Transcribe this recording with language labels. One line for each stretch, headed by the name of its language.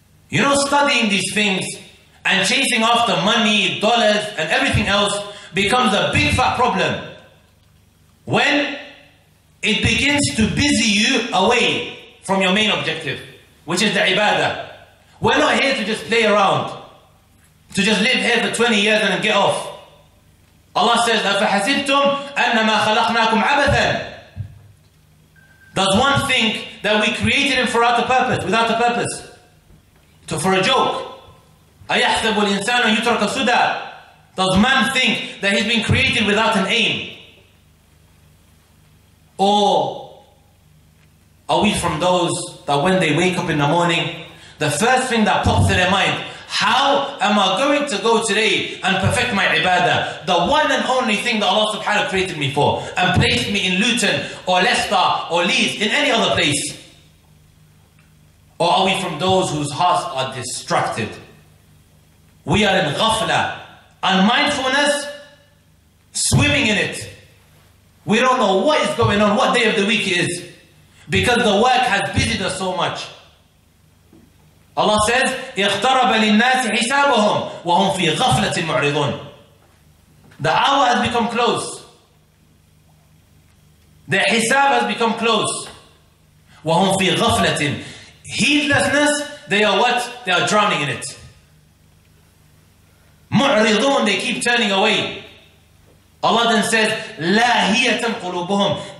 English: You know, studying these things and chasing after money, dollars, and everything else becomes a big fat problem. When it begins to busy you away from your main objective, which is the ibadah. We're not here to just play around, to just live here for 20 years and then get off.
Arabic: Allah says, أَفَحَسِبْتُمْ أَنَّمَا خَلَقْنَاكُمْ عَبَثًا.
English: Does one think that we created him for a purpose, without a purpose? To, for a joke? أَيَحْسَبُ الْإِنسَانُ يُتْرَكَ سُدَى. Does man think that he's been created without an aim? Or are we from those that when they wake up in the morning, the first thing that pops to their mind, how am I going to go today and perfect my ibadah? The one and only thing that Allah subhanahu wa ta'ala created me for and placed me in Luton or Leicester or Leeds, in any other place. Or are we from those whose hearts are distracted? We are in ghafla, unmindfulness, swimming in it. We don't know what is going on, what day of the week it is, because the work has busied us so much.
Arabic: Allah says, اِخْتَرَبَ لِلنَّاسِ حِسَابُهُمْ وَهُمْ فِي غَفْلَةٍ مُعْرِضُونَ.
English: The hour has become close. The hisab has become close.
Arabic: وَهُمْ فِي غَفْلَةٍ.
English: Heedlessness, they are what? They are drowning in it. مُعْرِضُونَ, they keep turning away. Allah then says, لَاهِيَةً قُلُوبُهُمْ.